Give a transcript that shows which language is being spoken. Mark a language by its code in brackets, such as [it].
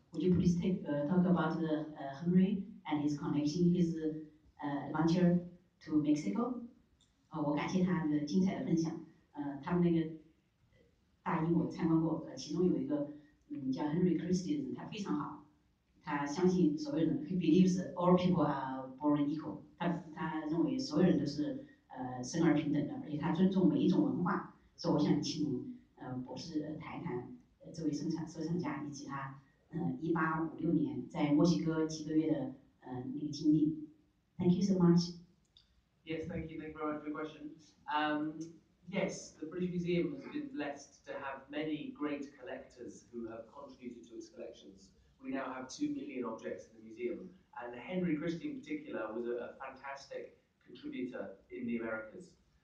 [en] Would you please talk about Henry and his connection, his adventure to Mexico? [zh] 我感谢他的精彩的分享。他们那个大英我参观过，其中有一个叫 Henry Christie 的人，他非常好，他相信所有人 ， [en] he believes all people are born equal， [zh] 他认为所有人都是生而平等的，而且他尊重每一种文化，所以我想请博士谈谈，作为生产收藏家以及他 1856年在墨西哥几个月的那个经历。 [en] Thank you so much. Yes, thank you. Thank you very much for the question. Yes, the British Museum has been blessed to have many great collectors who have contributed to its collections. We now have 2 million objects in the museum, and Henry Christie in particular was a fantastic contributor in the Americas.